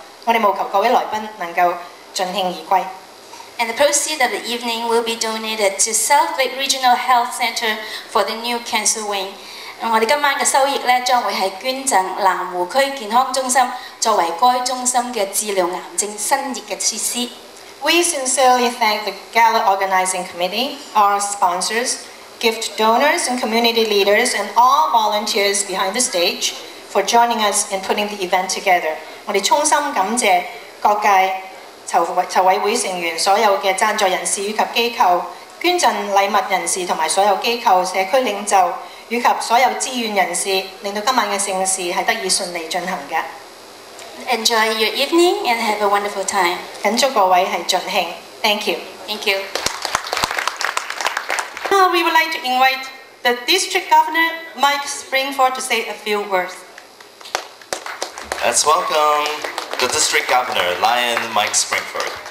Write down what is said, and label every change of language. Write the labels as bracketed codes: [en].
[zh] 我哋務求各位來賓能夠盡興而歸。 [en] And the proceeds of the evening will be donated to South Lake Regional Health Center for the new cancer wing. [zh] 我哋今晚嘅收益咧將會係捐贈南湖區健康中心，作為該中心嘅治療癌症新設嘅設施。 [en] We sincerely thank the Gala Organizing Committee, our sponsors, gift donors and community leaders, and all volunteers behind the stage for joining us in putting the event together. [zh] 我哋衷心感謝各界籌委會成員、所有嘅贊助人士以及機構、捐贈禮物人士同埋所有機構、社區領袖以及所有志願人士，令到今晚嘅盛事係得以順利進行嘅。 [en] Enjoy your evening and have a wonderful time. [zh] 緊祝各位係盡興。 [en] Thank you. Thank you. Now we would like to invite the District Governor Mike Springford to say a few words. Let's welcome the District Governor Lion Mike Springford.